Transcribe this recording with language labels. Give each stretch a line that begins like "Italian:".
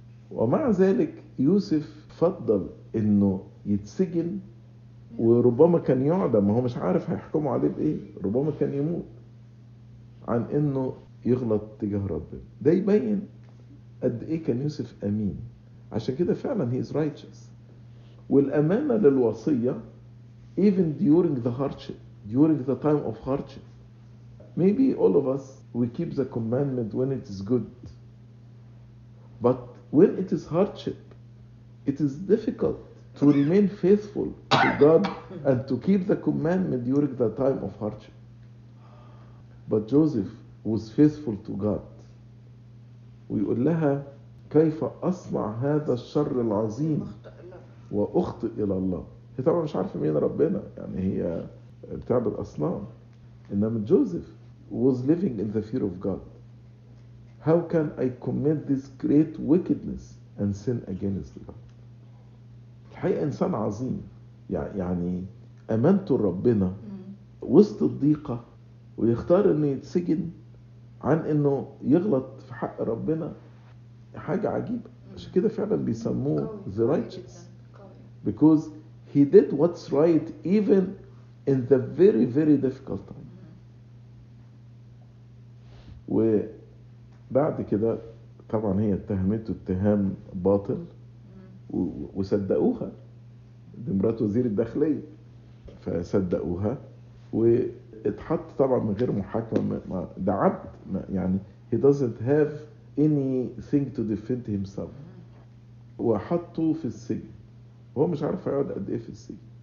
Arabic: ومع ذلك يوسف فضل انه يتسجن، وربما كان يعدم، ما هو مش عارف هيحكموا عليه بايه، ربما كان يموت، عن انه يغلط تجاه ربنا. ده يبين قد ايه كان يوسف امين، عشان كده فعلا
English: he is righteous.
Arabic: والامانه للوصيه
English: even during the hardship, during the time of hardship. Maybe all of us we keep the commandment when it is good, but when it is hardship it is difficult to remain faithful to God and to keep the commandment during the time of hardship. But Joseph was faithful to God.
Arabic: ويقول لها كيف أصنع هذا الشر العظيم وأخطئ إلى الله. هي طبعا مش عارفة مين ربنا، يعني هي بتعبد أصنام.
English: إنما Joseph was living in the fear of God. How can I commit this great wickedness and sin against God?
Arabic: الحقيقة إنسان عظيم، يعني أمانته ربنا وسط الضيقة ويختار إنه يتسجن عن إنه يغلط في حق ربنا، حاجة عجيبة. عشان كده فعلا بيسموه
English: the righteous because he did what's right even in the very very difficult time.
Arabic: وبعد كده طبعا هي اتهمته اتهام باطل وصدقوها مرات وزير الداخلية، فصدقوها واتحط طبعا من غير محاكمة، ده عبد يعني
English: he doesn't have anything to defend himself،
Arabic: وحطوا في السجن وهو مش عارف يقعد قد ايه في السجن.